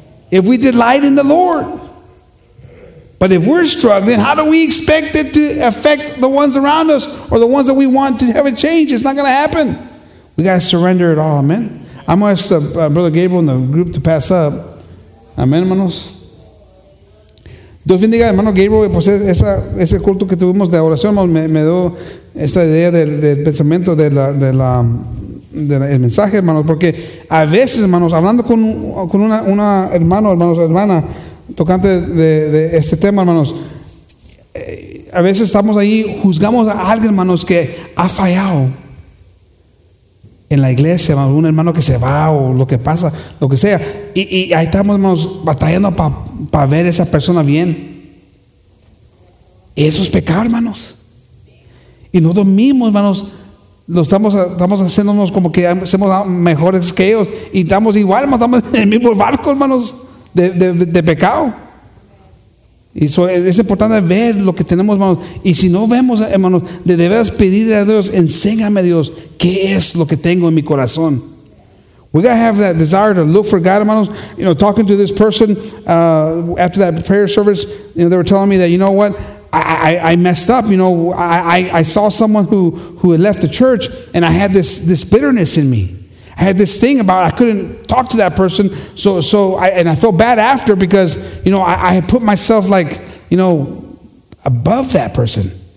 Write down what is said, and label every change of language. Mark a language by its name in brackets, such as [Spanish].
[English] If we delight in the Lord. But if we're struggling, how do we expect it to affect the ones around us or the ones that we want to have a change? It's not going to happen. We got to surrender it all, amen? I'm going to ask the, Brother Gabriel and the group to pass up. [Spanish] Amen, hermanos. Dios bendiga, hermano Gabriel, pues ese culto que tuvimos de oración me dio esta idea del pensamiento del mensaje, hermanos, porque a veces, hermanos, hablando con una hermano, hermanos, hermana, tocante de este tema, hermanos, a veces estamos ahí, juzgamos a alguien, hermanos, que ha fallado en la iglesia, hermanos, un hermano que se va o lo que pasa, lo que sea, y ahí estamos, hermanos, batallando para ver a esa persona bien. Eso es pecado, hermanos. Y nosotros mismos, hermanos, estamos haciéndonos como que somos mejores que ellos. Y estamos igual, hermanos, estamos en el mismo barco, hermanos, de pecado. Y eso es importante ver lo que tenemos, hermanos. Y si no vemos, hermanos, de veras pedirle a Dios, enséñame, Dios, qué es lo que tengo en mi corazón. [English] We gotta have that desire to look for God, hermanos. You know, talking to this person after that prayer service, you know, they were telling me that, you know what, I messed up. You know, I saw someone who had left the church, and I had this bitterness in me. I had this thing about I couldn't talk to that person. So I felt bad after because, you know, I had put myself like, you know, above that person.